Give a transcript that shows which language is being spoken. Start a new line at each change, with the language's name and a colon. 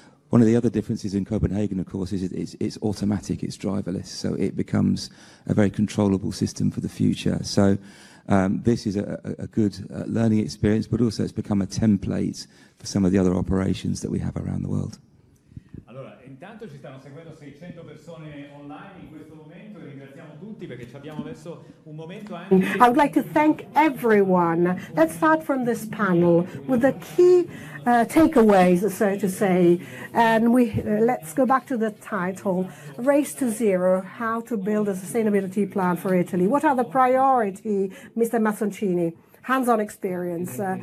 English: One of the other differences in Copenhagen, of course, is it's automatic, it's driverless, so it becomes a very controllable system for the future. So this is a good learning experience, but also it's become a template for some of the other operations that we have around the world.
Italian: Allora, intanto ci stanno seguendo 600 persone online in questo momento, ringraziamo tutti perché ci abbiamo messo un momento anche.
English: I would like to thank everyone. Let's start from this panel with the key takeaways, so to say, and we let's go back to the title, Race to Zero, how to build a sustainability plan for Italy. What are the priority, Mr. Mazzoncini? Hands-on experience.